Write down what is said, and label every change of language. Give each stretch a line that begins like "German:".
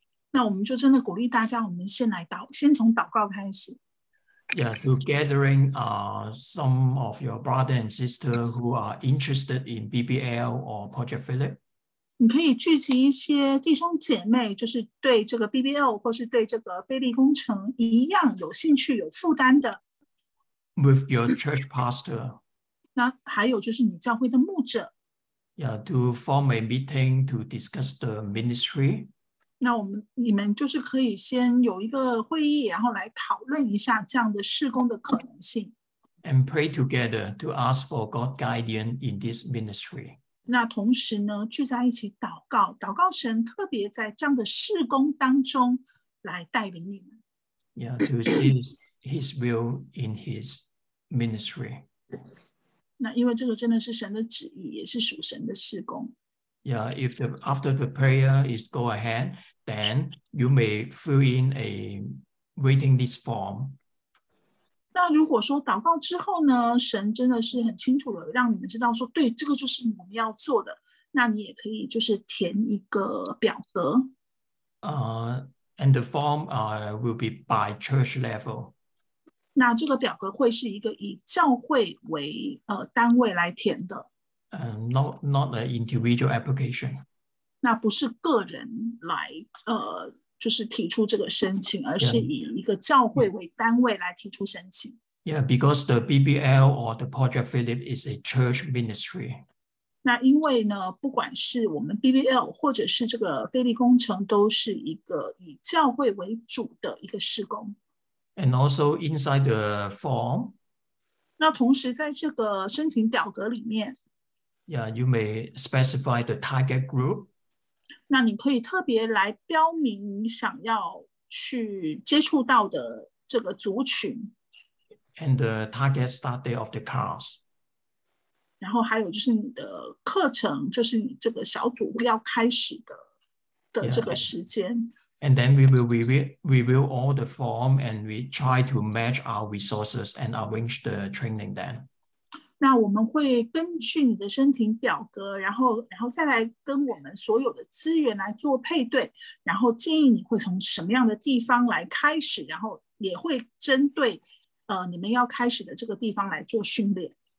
Chinese: 那我们就真的鼓励大家，我们先来祷，先从祷告开始。
English: Yeah, to gathering some of your brother and sister who are interested in BBL or Project Philip.
Chinese: 你可以聚集一些弟兄姐妹，就是对这个 BBL 或是对这个菲利工程一样有兴趣、有负担的。
English: With your church pastor.
Chinese: 那还有就是你教会的牧者。
English: Yeah, to form a meeting to discuss the ministry.
Chinese: 那我们你们就是可以先有一个会议，然后来讨论一下这样的事工的可能性。
English: And pray together to ask for God guidance in this ministry.
Chinese: 那同时呢，聚在一起祷告，祷告神特别在这样的事工当中来带领你们。
English: Yeah, to see His will in His ministry.
Chinese: 那因为这个真的是神的旨意，也是属神的事工。
English: Yeah, if the, after the prayer is go ahead, then you may fill in a waiting list form.
Chinese: 那如果说祷告之后呢，神真的是很清楚的让你们知道说，对，这个就是我们要做的，那你也可以就是填一个表格。
English: And the form will be by church level.
Chinese: 那这个表格会是一个以教会为单位来填的。
English: Not an individual application.
Chinese: 那不是个人来就是提出这个申请，而是以一个教会为单位来提出申请。
English: Yeah, because the BBL or the Project Philip is a church ministry.
Chinese: 那因为呢，不管是我们 BBL 或者是这个菲利工程，都是一个以教会为主的一个事工。
English: And also inside the form.
Chinese: 那同时在这个申请表格里面。
English: Yeah, you may specify the target group.
Chinese: 那你可以特别来标明想要去接触到的这个族群。
English: And the target start date of the class.
Chinese: 然后还有就是你的课程，就是你这个小组要开始的这个时间。
English: Yeah. And then we will review all the form and we try to match our resources and arrange the training then.
Chinese: 那我们会根据你的申请表格，然后再来跟我们所有的资源来做配对，然后建议你会从什么样的地方来开始，然后也会针对你们要开始的这个地方来做训练。